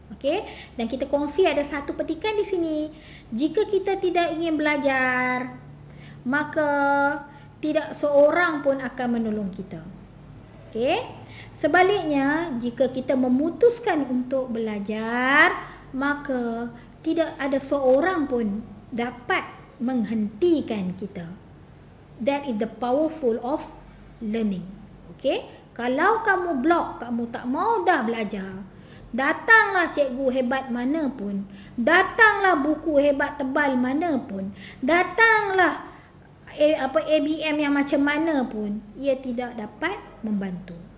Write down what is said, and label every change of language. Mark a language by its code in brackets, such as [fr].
[ms] Okey, dan kita kongsi ada satu petikan di sini. Jika kita tidak ingin belajar, maka tidak seorang pun akan menolong kita. Okey, sebaliknya jika kita memutuskan untuk belajar, maka tidak ada seorang pun dapat menghentikan kita. [en] That is the powerful of learning. [ms] Okey, kalau kamu block, kamu tak mau dah belajar, datanglah cikgu hebat mana pun, datanglah buku hebat tebal mana pun, datanglah ABM yang macam mana pun, ia tidak dapat membantu.